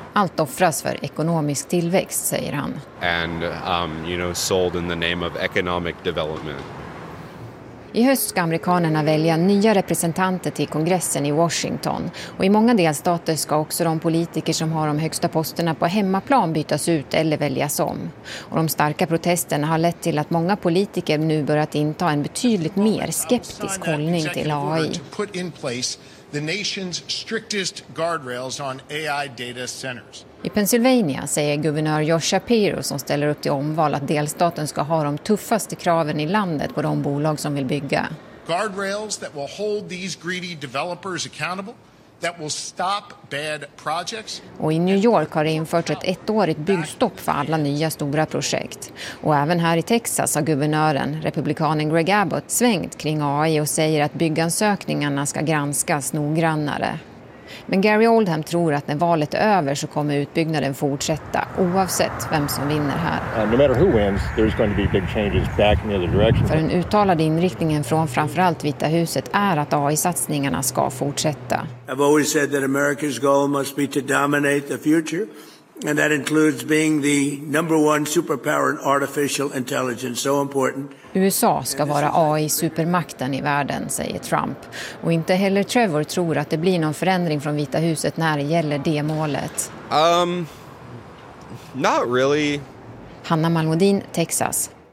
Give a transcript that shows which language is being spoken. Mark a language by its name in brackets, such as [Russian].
[Swedish] Allt offras för ekonomisk tillväxt, säger han. [English] And you know, sold in the name of economic development. [Swedish] I höst ska amerikanerna välja nya representanter till kongressen i Washington. Och i många delstater ska också de politiker som har de högsta posterna på hemmaplan bytas ut eller väljas om. Och de starka protesterna har lett till att många politiker nu börjat inta en betydligt mer skeptisk hållning till AI. [English] Put in place the nation's strictest guardrails on AI data centers. [Swedish] I Pennsylvania säger guvernör Josh Shapiro som ställer upp till omval att delstaten ska ha de tuffaste kraven i landet på de bolag som vill bygga. [English] Guardrails that will hold these greedy developers accountable, that will stop bad projects. [Swedish] Och i New York har det införts ett ettårigt byggstopp för alla nya stora projekt. Och även här i Texas har guvernören, republikanen Greg Abbott, svängt kring AI och säger att byggansökningarna ska granskas noggrannare. Men Gary Oldham tror att när valet är över så kommer utbyggnaden fortsätta oavsett vem som vinner här. [English] No matter who wins, there's going to be big changes back in the other direction. [Swedish] För den uttalade inriktningen från framförallt Vita huset är att AI-satsningarna ska fortsätta. [English] I've always said that America's goal must be to dominate the future, and that includes being the number one superpower in artificial intelligence, so important. [Swedish] USA ska vara AI-supermakten i världen, säger Trump. Och inte heller Trevor tror att det blir någon förändring från Vita huset när det gäller det målet. [English] Not really. [Swedish] Hanna Malmodin, Texas.